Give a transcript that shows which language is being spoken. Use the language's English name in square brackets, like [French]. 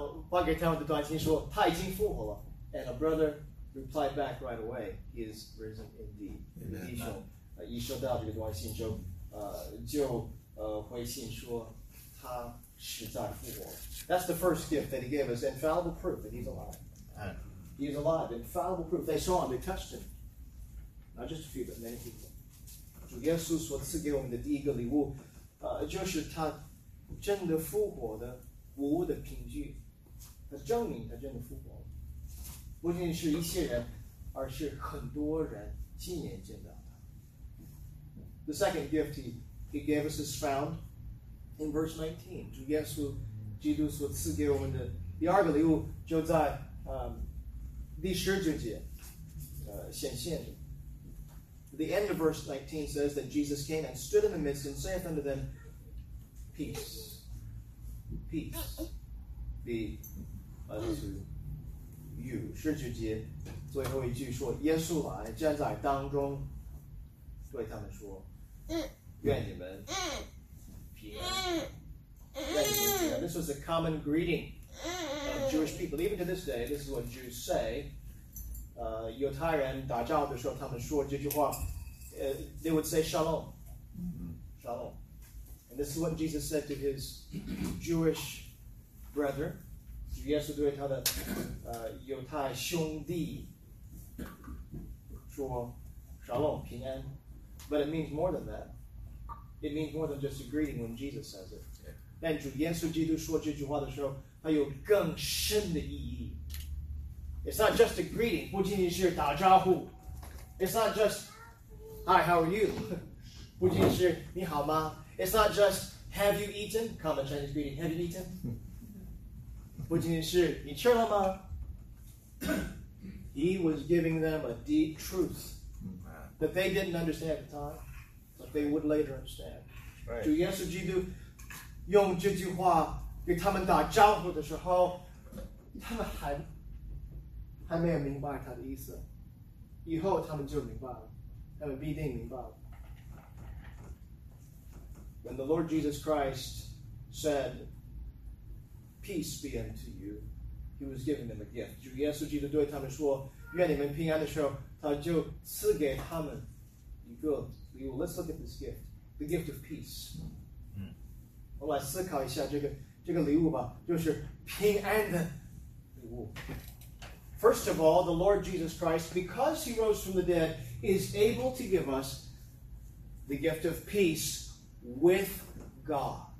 [Chinese] 发给他们的短信说他已经复活了。 [English] And a brother replied back right away, he is risen indeed. Amen. [Chinese] 一收到这个短信就回信说他实在复活。 [English] That's the first gift that he gave us, infallible proof that he's alive. He is alive, infallible proof. They saw him, they touched him. Not just a few, but many people. [Chinese] 主耶稣所赐给我们的第一个礼物，就是他真的复活的无误的凭据。他证明他真的复活了，不仅是一些人，而是很多人亲眼见到。 [English] The second gift he gave us is found in verse 19. [Chinese] 主耶稣基督所赐给我们的第二个礼物就在第十九节显现。 [English] The end of verse 19 says that Jesus came and stood in the midst and saith unto them, Peace, peace be unto you. [Chinese] 十九节最后一句说耶稣来站在当中对他们说愿你们平安。 [English] This was a common greeting of Jewish people. Even to this day, this is what Jews say. [Chinese] 犹太人打仗的时候，他们说这句话。 [English] They would say shalom. Shalom. And this is what Jesus said to his Jewish brethren. [Chinese] 主耶稣对他的犹太兄弟说 shalom, 平安。 [English] But it means more than that. It means more than just a greeting when Jesus says it. [Chinese] 但主耶稣基督说这句话的时候，它有更深的意义。 [English] It's not just a greeting, [Chinese] 不仅仅是打招呼。 [English] It's not just, Hi, how are you? [Chinese] 不仅仅是你好吗？ [English] It's not just, Have you eaten? Common Chinese greeting, Have you eaten? [Chinese] 不仅仅是你吃了吗？ [English] He was giving them a deep truth. That they didn't understand at the time, but they would later understand. [Chinese] 主耶稣基督用这句话给他们打招呼的时候，他们还没有明白他的意思。以后他们就明白了，他们必定明白了。 [English] When the Lord Jesus Christ said, "Peace be unto you," he was giving them a gift. [Chinese] 主耶稣基督对他们说，愿你们平安的时候。他就赐给他们一个礼物。 [English] Let's look at this gift, the gift of peace. [Chinese] 我来思考一下这个礼物吧，就是平安的礼物。 [English] First of all, the Lord Jesus Christ, because he rose from the dead, is able to give us the gift of peace with God.